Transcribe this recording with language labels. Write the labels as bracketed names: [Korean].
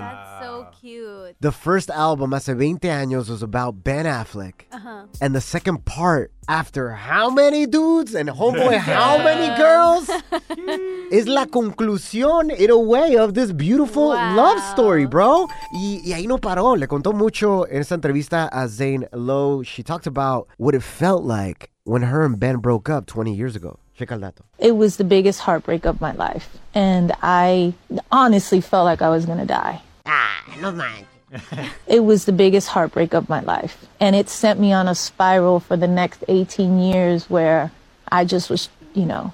[English] That's so cute. The first album, Hace 20 Años, was about Ben Affleck. Uh-huh. And the second part, after how many dudes and homeboy how many girls, is [Spanish] la conclusión, [English] in a way, of this beautiful love story, bro. [Spanish] Y ahí no paró. Le contó mucho en esa entrevista a Zane Lowe. [English] She talked about what it felt like when her and Ben broke up 20 years ago. Check out that. It was the biggest heartbreak of my life. And I honestly felt like I was going to die. Ah, no man. It was the biggest heartbreak of my life. And it sent me on a spiral for the next 18 years where I just was, you know.